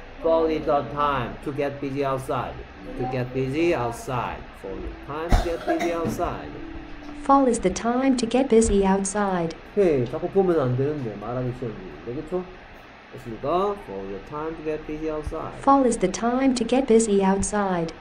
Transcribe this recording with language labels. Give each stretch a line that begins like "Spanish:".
English: fall is the time to get busy outside. to get busy outside. fall is the time to get busy outside. Fall is the time to get busy outside.
Korean: Hey, 자꾸 보면 안 되는데 말하기 싫은데 그쵸? 됐습니까?
English: Fall is the time to get busy outside. Fall is the time to get busy outside.